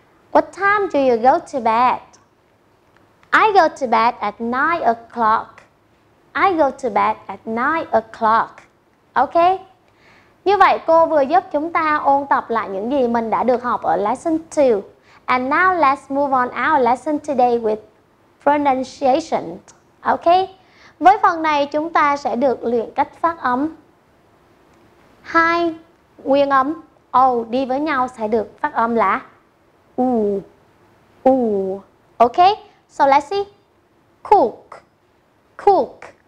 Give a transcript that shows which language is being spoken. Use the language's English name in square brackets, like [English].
[English] What time do you go to bed? I go to bed at 9 o'clock. I go to bed at 9 o'clock. Ok? [Vietnamese] Như vậy, cô vừa giúp chúng ta ôn tập lại những gì mình đã được học ở lesson 2. [English] And now let's move on our lesson today with pronunciation. Ok? [Vietnamese] Với phần này, chúng ta sẽ được luyện cách phát âm. Hai nguyên âm O đi với nhau sẽ được phát âm là U. [English] U. Ok? So let's see. Cook, cook.